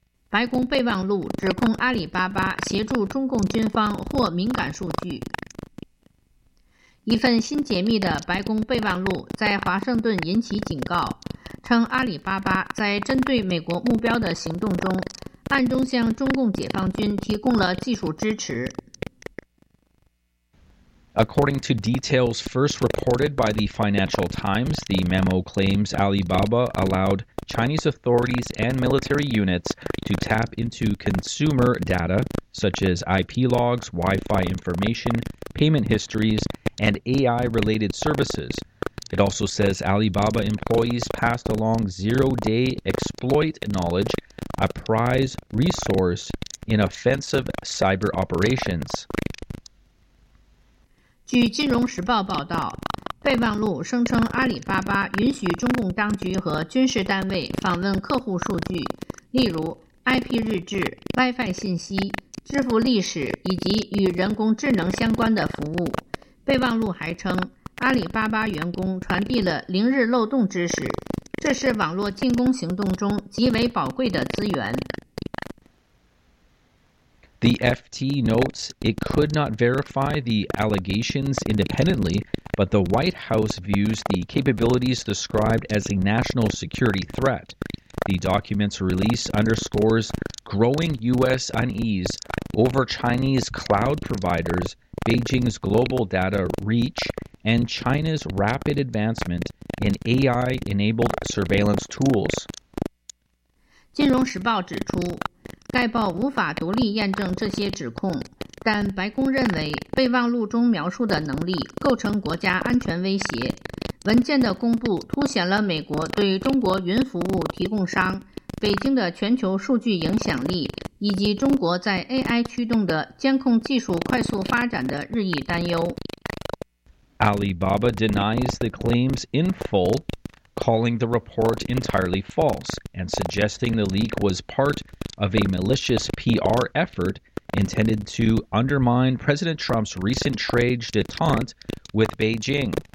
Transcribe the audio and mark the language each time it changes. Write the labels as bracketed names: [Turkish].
[Chinese] 白宫备忘录指控阿里巴巴协助中共军方获敏感数据。一份新解密的白宫备忘录在华盛顿引起警告，称阿里巴巴在针对美国目标的行动中，暗中向中共解放军提供了技术支持。 [English] According to details first reported by the Financial Times, the memo claims Alibaba allowed Chinese authorities and military units to tap into consumer data, such as IP logs, Wi-Fi information, payment histories, and AI-related services. It also says Alibaba employees passed along zero-day exploit knowledge, a prize resource in offensive cyber operations. [Chinese] 据《金融时报》报道，备忘录声称阿里巴巴允许中共当局和军事单位访问客户数据，例如 IP 日志、WiFi 信息、支付历史以及与人工智能相关的服务。备忘录还称，阿里巴巴员工传递了零日漏洞知识，这是网络进攻行动中极为宝贵的资源。 [English] The FT notes it could not verify the allegations independently, but the White House views the capabilities described as a national security threat. The document's release underscores growing U.S. unease over Chinese cloud providers, Beijing's global data reach, and China's rapid advancement in AI-enabled surveillance tools. [Chinese] 金融时报指出，该报无法独立验证这些指控，但白宫认为备忘录中描述的能力构成国家安全威胁。文件的公布凸显了美国对中国云服务提供商、北京的全球数据影响力以及中国在 AI 驱动的监控技术快速发展的日益担忧。 [English] Alibaba denies the claims in full, calling the report entirely false and suggesting the leak was partof a malicious PR effort intended to undermine President Trump's recent trade detente with Beijing.